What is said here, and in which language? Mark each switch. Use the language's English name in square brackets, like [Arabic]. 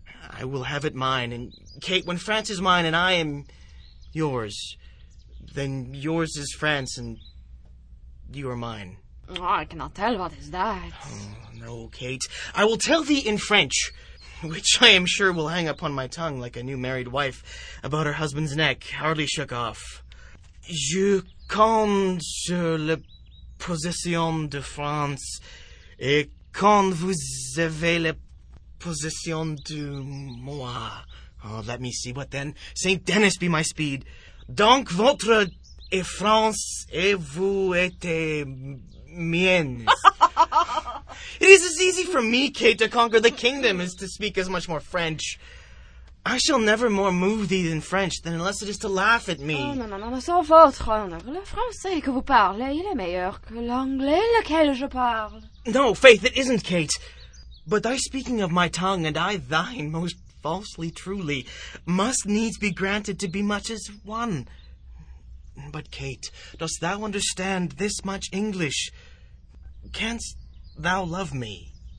[English] I will have it mine, and Kate, when France is mine and I am yours, then yours is France and you are mine. Oh, I cannot tell what is that. Oh, no, Kate. I will tell thee in French, which I am sure will hang upon my tongue like a new married wife about her husband's neck, hardly shook off. [French] Je compte sur la possession de France, et quand vous avez la possession de moi. [English] Oh, let me see what then. Saint Denis be my speed. [French] Donc votre et France et vous êtes miennes. [English] It is as easy for me, Kate, to conquer the kingdom as to speak as much more French. I shall never more move thee in French than unless it is to laugh at me. [French] Oh, non, non, non, sans votre honneur. Le français que vous parlez, il est meilleur que l'anglais lequel je parle. [English] No, faith, it isn't, Kate. But thy speaking of my tongue, and I thine most falsely truly, must needs be granted to be much as one. But, Kate, dost thou understand this much English? Canst thou love me?